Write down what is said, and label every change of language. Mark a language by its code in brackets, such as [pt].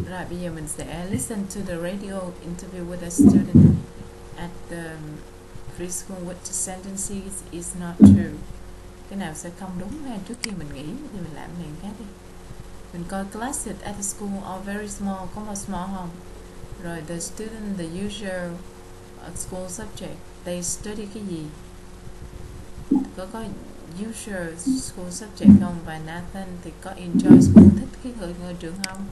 [en] Bây giờ mình sẽ listen to the radio interview with a student at the preschool with the sentences is not true. Cái nào sẽ không đúng ha? [vi] Trước khi mình nghĩ thì mình làm liền cái đi. [en] Mình coi classes at the school are very small. Có một small không? Rồi the student, the usual school subject, they study cái gì? Có usual school subject không? [vi] Và Nathan thì có enjoy school, thích cái người trường không?